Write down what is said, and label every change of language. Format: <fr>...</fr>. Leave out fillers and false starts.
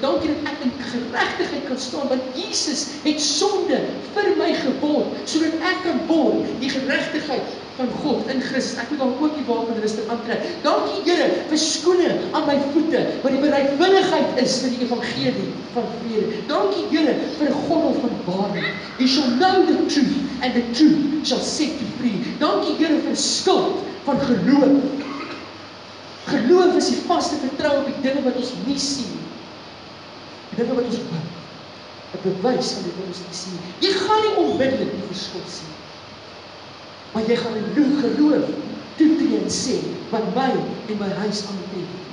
<af>Dankie dat ek in geregtigheid kan staan, want Jesus het sonde vir my geborg, sodat ek kan borg die geregtigheid van God in Christus. Ek moet dan ook die wapenrusting aantrek. Dankie Here vir skoene aan my voete wat die bereidwilligheid is vir die evangelie van vrede. Dankie Here vir 'n gordel van waarheid.</af> <en>You shall know the truth and the truth shall set you free.</en> <af>Dankie Here vir skild van geloof. Geloof is die vaste vertroue op die dinge wat ons nie sien. Die dinge wat ons bid. 'n Bewys van die dinge wat ons nie sien. Jy gaan nie onmiddellik die verskil sien. Maar jy gaan in geloof toetree en sê wat my en my huis aan het heen.</af>